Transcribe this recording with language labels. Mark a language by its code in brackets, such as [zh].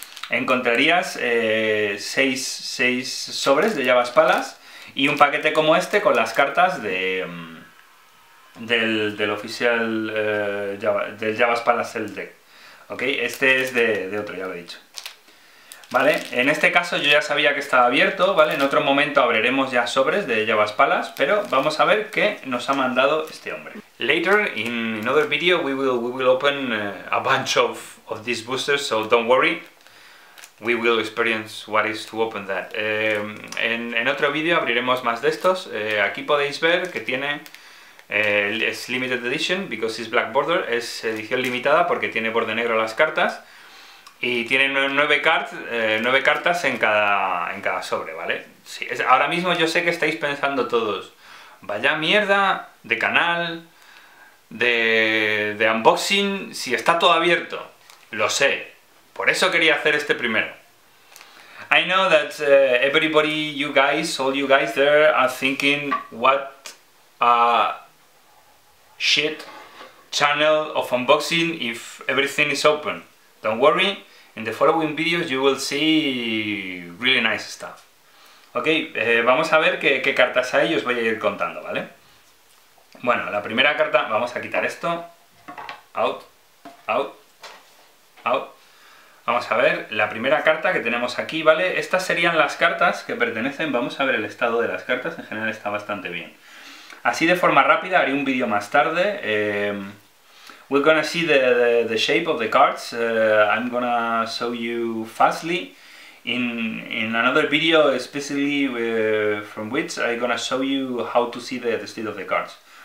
[es] Encontrarías 6 sobres de Jabba's Palace y un paquete como este con las cartas del oficial Jabba's Palace deck. Okay? Este es de otro, ya lo he dicho. Vale, en este caso yo ya sabía que estaba abierto, ¿vale? En otro momento abriremos ya sobres de llavas palas, pero vamos a ver qué nos ha mandado este hombre. [en] Later, in another video, we will open a bunch of these boosters, so don't worry. We will experience what is to open that. [es] En otro video abriremos más de estos. Aquí podéis ver que tiene... [en] es limited edition, because it's black border. [es] Es edición limitada porque tiene borde negro las cartas. Y tiene 9 cartas en cada sobre, ¿vale? Sí, ahora mismo yo sé que estáis pensando todos, vaya mierda de canal, de unboxing, si está todo abierto. Lo sé, por eso quería hacer este primero. [en] I know that everybody, you guys, all you guys there are thinking what a shit channel of unboxing if everything is open. Don't worry. In the following videos you will see really nice stuff. [es] Ok, vamos a ver qué cartas hay y os voy a ir contando, ¿vale? Bueno, la primera carta, vamos a quitar esto. [en] Out, out, out. [es] Vamos a ver, la primera carta que tenemos aquí, ¿vale? Estas serían las cartas que pertenecen, vamos a ver el estado de las cartas, en general está bastante bien. Así de forma rápida, haré un vídeo más tarde. [en] We're gonna see the shape of the cards. I'm gonna show you fastly in another video, especially from which I'm gonna show you how to see the state of the cards.